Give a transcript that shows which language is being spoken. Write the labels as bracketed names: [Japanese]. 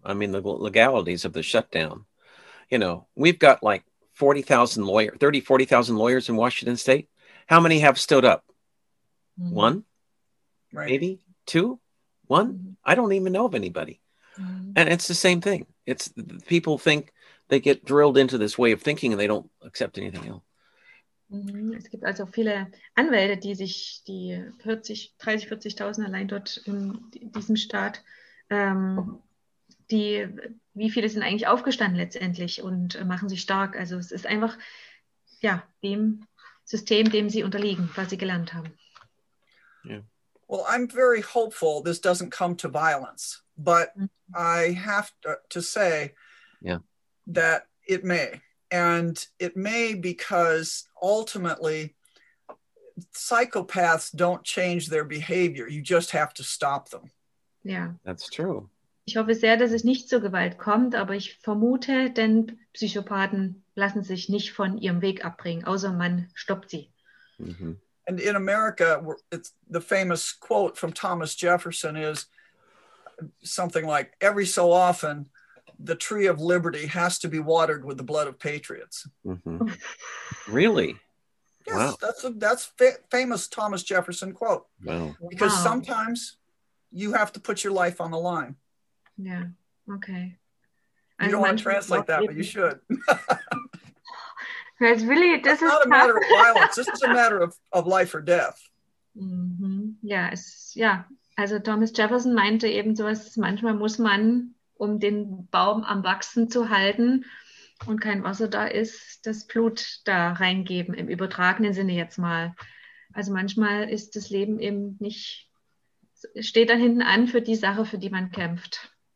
[English] I mean, the legalities of the shutdown. You know, we've got like 40,000 lawyers, 30,000, 40,000 lawyers in Washington State. How many have stood up? Mm-hmm. One? Right. Maybe two, one. Mm-hmm. I don't even know of anybody. Mm-hmm. And it's the same thing. It's people think they get drilled into this way of thinking and they don't accept anything else. Mm-hmm. [German] Es gibt also viele Anwälte, die sich die 30, 40.000 allein dort in diesem Staat, die, wie viele sind eigentlich aufgestanden letztendlich und machen sich stark. Also es ist einfach, dem System, dem sie unterliegen, was sie gelernt haben. [English] Yeah. Well, I'm very hopeful this doesn't come to violence, but I have to say that it may. And it may because ultimately psychopaths don't change their behavior. You just have to stop them. Yeah, that's true. [German] Ich hoffe sehr, dass es nicht zur Gewalt kommt, aber ich vermute, denn Psychopathen lassen sich nicht von ihrem Weg abbringen, außer man stoppt sie. Mm-hmm. [English] And in America, it's the famous quote from Thomas Jefferson is something like, every so often, the tree of liberty has to be watered with the blood of patriots. Mm-hmm. Really? Yes, wow. that's a famous Thomas Jefferson quote. Wow. Because wow. sometimes you have to put your life on the line. Yeah, okay. You don't want to translate that, but you should. That's really, this it's is not tough. A matter of violence. This is a matter of life or death. Mm-hmm. Yeah, es, ja. [German] Also Thomas Jefferson meinte eben sowas, manchmal muss man, um den Baum am Wachsen zu halten und kein Wasser da ist, das Blut da reingeben, im übertragenen Sinne jetzt mal. Also manchmal ist das Leben eben nicht, steht da hinten an für die Sache, für die man kämpft.